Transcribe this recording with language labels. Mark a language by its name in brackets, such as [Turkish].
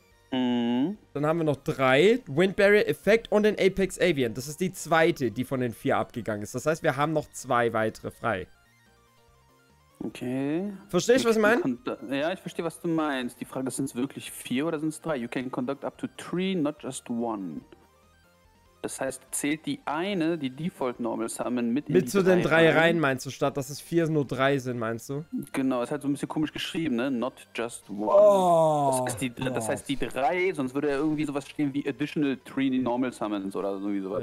[German] Mhm. Dann haben wir noch 3. Windberry Effekt und den Apex Avian. Das ist die zweite, die von den 4 abgegangen ist. Das heißt, wir haben noch 2 weitere frei. Okay. Verstehst du, was ich meine? Ja, ich verstehe, was du meinst. Die Frage ist, sind es wirklich 4 oder sind es 3? [English] You can conduct up to 3, not just 1. [German] Das heißt, zählt die eine, die Default Normal Summon, mit in mit zu den 3 Reihen, meinst du, statt dass es 4 nur 3 sind, meinst du? Genau, ist halt so ein bisschen komisch geschrieben, ne? [English] Not just one. [German] Oh, das heißt, die 3, sonst würde ja irgendwie sowas stehen wie Additional 3 Normal Summons oder sowas.